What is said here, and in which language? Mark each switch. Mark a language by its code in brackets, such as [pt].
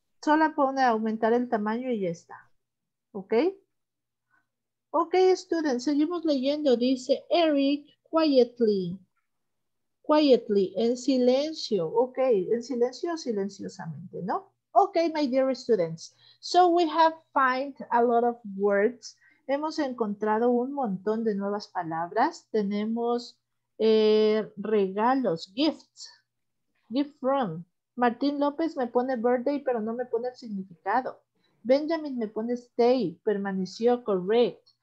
[es] Solo pone aumentar el tamaño y ya está. ¿Ok? [en] Ok, students, [es] seguimos leyendo. Dice Eric, quietly. Quietly, en silencio. Ok, en silencio, silenciosamente, ¿no? [en] Ok, my dear students. So we have find a lot of words. [es] Hemos encontrado un montón de nuevas palabras. Tenemos regalos, gifts. Gift from. Martín López me pone birthday, pero no me pone el significado. Benjamin me pone stay, permaneció, correct.